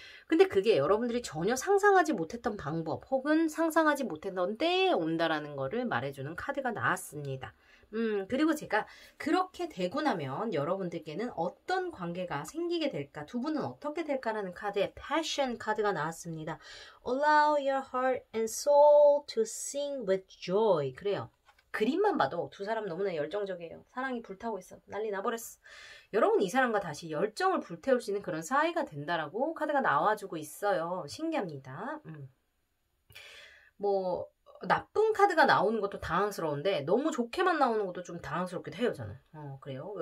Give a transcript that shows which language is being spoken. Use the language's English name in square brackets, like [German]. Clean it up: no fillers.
[Korean] 근데 그게 여러분들이 전혀 상상하지 못했던 방법 혹은 상상하지 못했던 때에 온다라는 거를 말해주는 카드가 나왔습니다. 그리고 제가 그렇게 되고 나면 여러분들께는 어떤 관계가 생기게 될까? 두 분은 어떻게 될까라는 카드에 passion 카드가 나왔습니다. [English] Allow your heart and soul to sing with joy. [Korean] 그래요. 그림만 봐도 두 사람 너무나 열정적이에요. 사랑이 불타고 있어. 난리 나버렸어. 여러분 이 사람과 다시 열정을 불태울 수 있는 그런 사이가 된다라고 카드가 나와주고 있어요. 신기합니다. 뭐 나쁜 카드가 나오는 것도 당황스러운데 너무 좋게만 나오는 것도 좀 당황스럽기도 해요. 저는. 그래요.